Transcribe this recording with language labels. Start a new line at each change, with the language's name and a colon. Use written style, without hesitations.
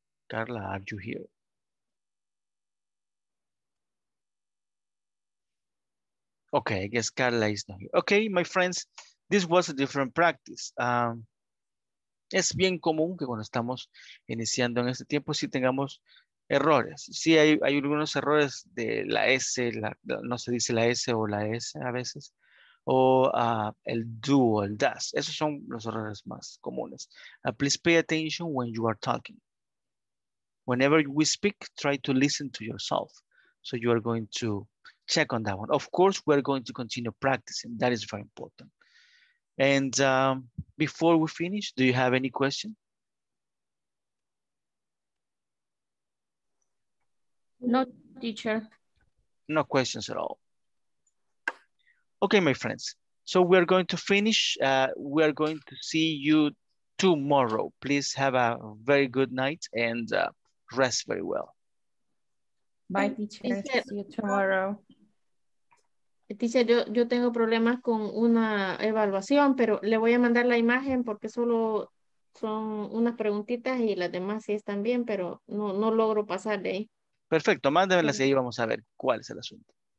English: Carla, are you here? Okay, I guess Carla is not here. Okay, my friends, this was a different practice.
Spanish: Es bien común que cuando estamos iniciando en este tiempo sí tengamos errores. Sí, hay algunos errores de la S, no se dice la S o la S a veces, o el do o el does. Esos son los errores más comunes.
English: Please pay attention when you are talking. Whenever we speak, try to listen to yourself. So you are going to check on that one. Of course, we're going to continue practicing. That is very important. And before we finish, do you have any question? No, teacher. No questions at all. Okay, my friends. So we're going to finish. We're going to see you tomorrow. Please have a very good night and rest very well. Bye, teacher. See you tomorrow.
Spanish: Dice, yo tengo problemas con una evaluación, pero le voy a mandar la imagen porque solo son unas preguntitas y las demás sí están bien, pero no logro pasar de ahí. Perfecto, mándemelas y ahí vamos a ver cuál es el asunto.